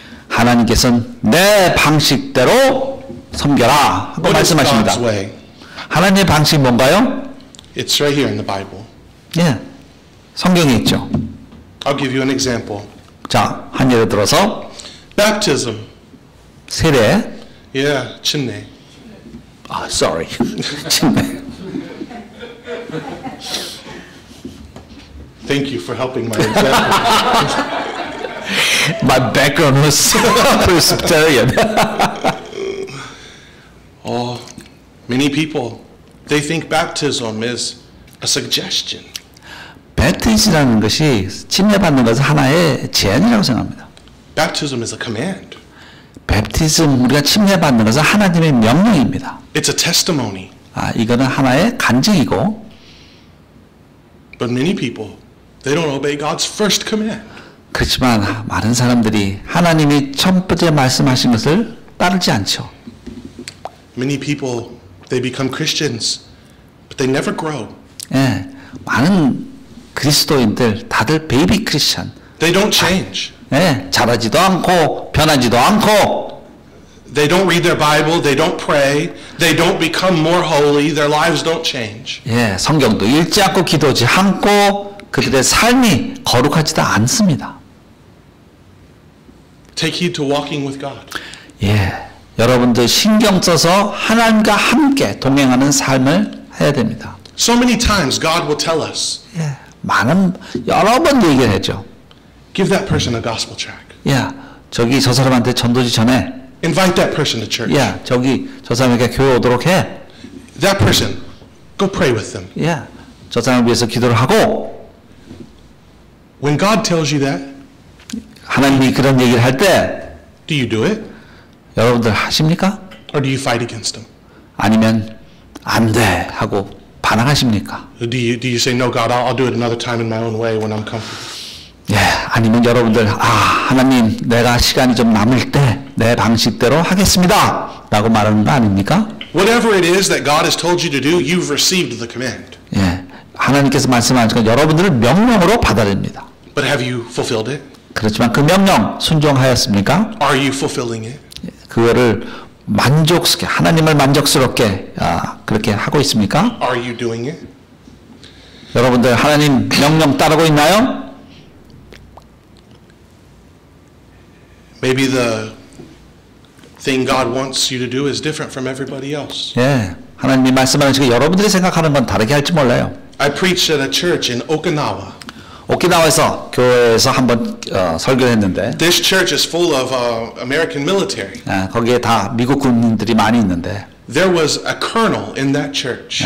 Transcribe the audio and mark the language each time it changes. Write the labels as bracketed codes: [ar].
[ko] 하나님께서는 내 방식대로 섬겨라 하고 말씀하십니다. 하나님의 방식이 뭔가요? [en] It's right here in the Bible. [ko] 예. 성경에 있죠. [en] I'll give you an example. [ko] 자, 한 예를 들어서 [en] baptism. [ko] 세례. Yeah, 침례. [en] Oh, sorry. 침례. Thank you for helping my example. My background was Presbyterian. Oh, many people, they think baptism is a suggestion. [ko] 베트시라는 것이 침례받는 것은 하나의 제안이라고 생각합니다. [en] Baptism is a command. [ko] 베트시즘 우리가 침례받는 것은 하나님의 명령입니다. [en] It's a testimony. [ko] 아, 이거는 하나의 간증이고. [en] But many people. They don't obey God's first command. [ko] 그렇지만 많은 사람들이 하나님이 첫 번째 말씀하신 것을 따르지 않죠. [en] Many people they become Christians, but they never grow. [ko] 예, 많은 그리스도인들 다들 베이비 크리스천. [en] They don't change. [ko] 예, 자라지도 않고 변하지도 않고. [en] They don't read their Bible. They don't pray. They don't become more holy. Their lives don't change. [ko] 예, 성경도 읽지 않고 기도하지 않고. 그들의 삶이 거룩하지도 않습니다. [en] Take heed to walking with God. [ko] 예, 여러분들 신경 써서 하나님과 함께 동행하는 삶을 해야 됩니다. [en] So many times God will tell us. [ko] 예, 많은 여러 번 얘기를 했죠. [en] Give that person a gospel track. [ko] 예, 저기 저 사람한테 전도지 전해. [en] Invite that person to church. [ko] 예, 저기 저 사람에게 교회 오도록 해. [en] That person, go pray with them. [ko] 예, 저 사람을 위해서 기도를 하고. [en] When God tells you that, [ko] 하나님이 그런 얘기를 할 때, [en] do you do it? [ko] 여러분들 하십니까? [en] Or do you fight against them? [ko] 아니면 안 돼 하고 반항하십니까? [en] Do you say no, God? I'll do it another time in my own way when I'm comfortable. [ko] 예, 아니면 여러분들 아 하나님 내가 시간이 좀 남을 때 내 방식대로 하겠습니다라고 말하는 거 아닙니까? [en] Whatever it is that God has told you to do, you've received the command. [ko] 예, 하나님께서 말씀하신 건 여러분들을 명령으로 받아들입니다. [en] But have you fulfilled it? [ko] 그렇지만 그 명령 순종하였습니까? [en] Are you fulfilling it? [ko] 그거를 만족스럽게 하나님을 만족스럽게 그렇게 하고 있습니까? [en] Are you doing it? [ko] 여러분들 하나님 명령 따르고 있나요? [en] Maybe the thing God wants you to do is different from everybody else. [ko] 예, 하나님이 말씀하는 지금 여러분들이 생각하는 건 다르게 할지 몰라요. [en] I preached at a church in Okinawa. [ko] 오키나와에서 교회에서 한번 설교를 했는데. [en] This church is full of American military. [ko] 아, 거기에 다 미국 군인들이 많이 있는데. [en] There was a colonel in that church.